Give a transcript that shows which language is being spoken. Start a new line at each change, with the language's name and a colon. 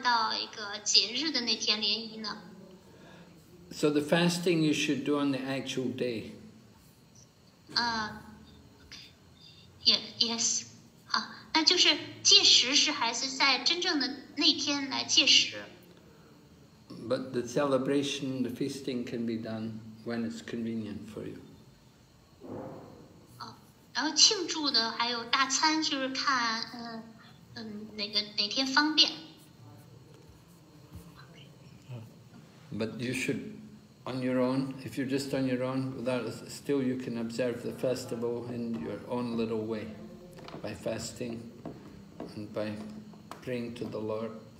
Chinese: 我问一个小问题，就是关于联谊，就是比如说我们定期联谊，但如果遇到节日的时候呢，那我们是就是该联谊联谊，再增加一个节日呢，还是说把这个联谊的日期就取消，然后换到一个节日的那天联谊呢？
English: So the fasting you should do on the actual day. Yes.
Chinese: 好，那就是戒食是还是在真正的那天来戒食。
English: But the celebration, the feasting can be done when it's convenient for you.
Chinese: 然后庆祝的还有大餐，就是看哪天方便。
English: But you should, on your own, if you're just on your own, without, still you can observe the festival in your own little way, by fasting and by praying to the Lord.